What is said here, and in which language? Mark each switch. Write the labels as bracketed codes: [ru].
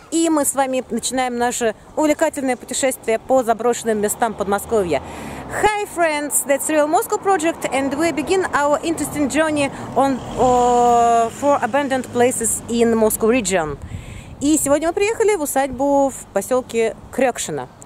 [ru] И мы с вами начинаем наше увлекательное путешествие по заброшенным местам Подмосковья. [en] Hi, friends! That's Real Moscow Project, and we begin our interesting journey on for abandoned places in Moscow region. [ru] И сегодня мы приехали в усадьбу в поселке Крёкшино.